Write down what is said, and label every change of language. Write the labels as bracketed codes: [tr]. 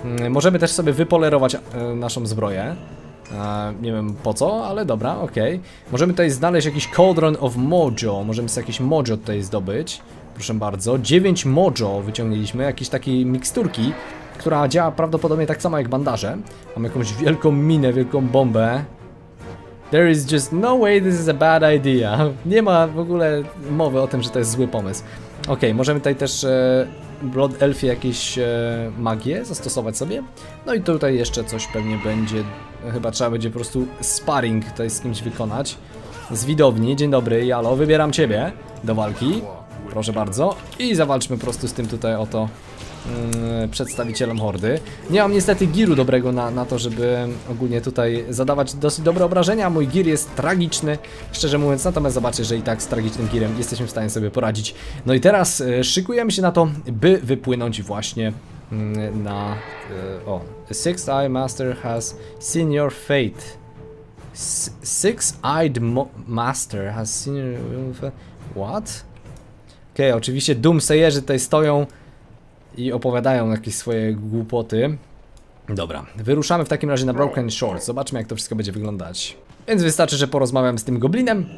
[pl] Możemy też sobie wypolerować naszą zbroję. Nie wiem po co, ale dobra, okej. Możemy tutaj znaleźć jakiś Cauldron of Mojo. Możemy sobie jakieś mojo tutaj zdobyć. Proszę bardzo, 9 mojo wyciągnęliśmy. Jakieś takiej miksturki, która działa prawdopodobnie tak samo jak bandaże. Mamy jakąś wielką minę, wielką bombę. [en] There is just no way this is a bad idea. [pl] Nie ma w ogóle mowy o tym, że to jest zły pomysł. Okej, możemy tutaj też Blood Elfie jakieś magię zastosować sobie. No i tutaj jeszcze coś pewnie będzie. Chyba trzeba będzie po prostu sparring tutaj z kimś wykonać. Z widowni, dzień dobry, Jalo, wybieram ciebie do walki. Proszę bardzo. I zawalczmy po prostu z tym tutaj oto przedstawicielem hordy. Nie mam niestety giru dobrego na to, żeby ogólnie tutaj zadawać dosyć dobre obrażenia. Mój gir jest tragiczny, szczerze mówiąc, natomiast zobaczę, że i tak z tragicznym girem jesteśmy w stanie sobie poradzić. No i teraz szykujemy się na to, by wypłynąć właśnie na... [en] O, Sixth Eye Master has seen your fate. Sixth Eye Master has seen your fate. What? [pl] Okej, oczywiście Doomsayerzy tutaj stoją i opowiadają jakieś swoje głupoty. Dobra, wyruszamy w takim razie na Broken Shores. Zobaczmy, jak to wszystko będzie wyglądać. Więc wystarczy, że porozmawiam z tym goblinem.